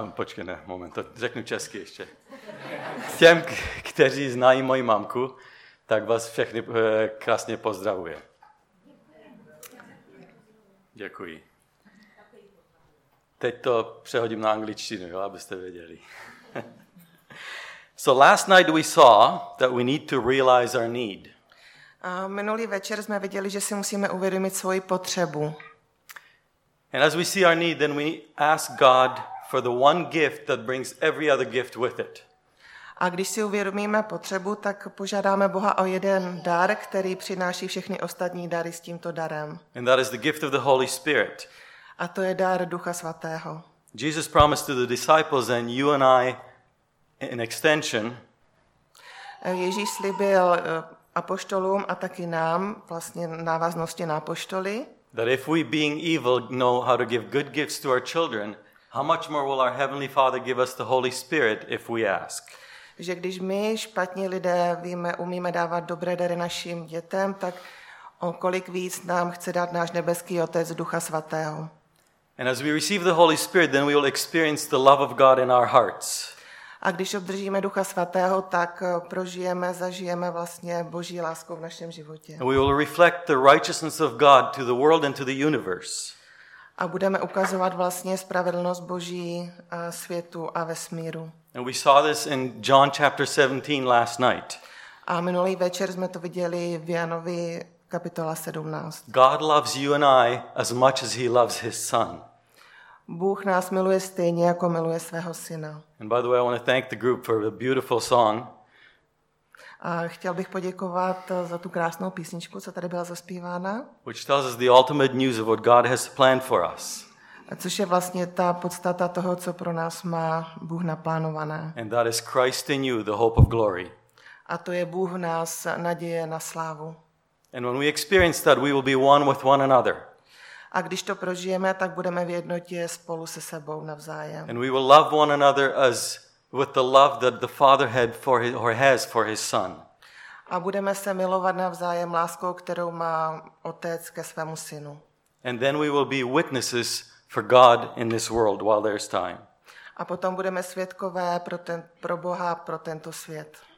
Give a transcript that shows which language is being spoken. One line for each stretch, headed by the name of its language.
Czech: Počkej, ne, moment, to řeknu česky ještě. Těm, kteří znají moji mamku, tak vás všechny krásně pozdravuje. Děkuji. Teď to přehodím na angličtinu, jo, abyste věděli.
English: So last night we saw that we need to realize our need.
Czech: Minulý večer jsme viděli, že si musíme uvědomit svoji potřebu.
English: And as we see our need, then we ask God for the one gift that brings every other gift with it.
Czech: A když si uvědomíme potřebu, tak požádáme Boha o jeden dar, který přináší všechny ostatní dary s tímto darem.
English: And that is the gift of the Holy Spirit.
Czech: A to je dar Ducha Svatého.
English: Jesus promised to the disciples and you and I an extension.
Czech: Ježíš slíbil apoštolům a taky nám, vlastně návaznosti na apoštoly.
English: That if we being evil know how to give good gifts to our children, how much more will our heavenly Father give us the Holy Spirit if we ask?
Czech: Že když my, špatní lidé, víme, umíme dávat dobré dary našim dětem, tak o kolik víc nám chce dát náš nebeský Otec Ducha Svatého.
English: And as we receive the Holy Spirit, then we will experience the love of God in our hearts.
Czech: A když obdržíme Ducha Svatého, tak prožijeme, zažijeme vlastně Boží lásku v našem životě.
English: And we will reflect the righteousness of God to the world and to the universe.
Czech: A budeme ukazovat vlastně spravedlnost Boží světu a vesmíru.
English: And we saw this in John chapter 17 last night.
Czech: A minulý večer jsme to viděli v Janovi kapitola 17.
English: God loves you and I as much as he loves his son.
Czech: Bůh nás miluje stejně jako miluje svého syna.
English: And by the way, I want to thank the group for the beautiful song.
Czech: A chtěl bych poděkovat za tu krásnou písničku, co tady byla zaspívána.
English: Which tells us the ultimate news of what God has planned for us.
Czech: Což je vlastně ta podstata toho, co pro nás má Bůh naplánované.
English: And that is Christ in you, the hope of glory.
Czech: A to je Bůh v nás, naděje na slávu.
English: And when we experience that, we will be one with one another.
Czech: A když to prožijeme, tak budeme v jednotě spolu se sebou navzájem.
English: And we will love one another as with the love that the Father had for his, or has for his son.
Czech: A budeme se milovat navzájem láskou, kterou má Otec ke svému synu.
English: And then we will be witnesses for God in this world while there's time.
Czech: A potom budeme svědkové pro Boha, pro tento svět.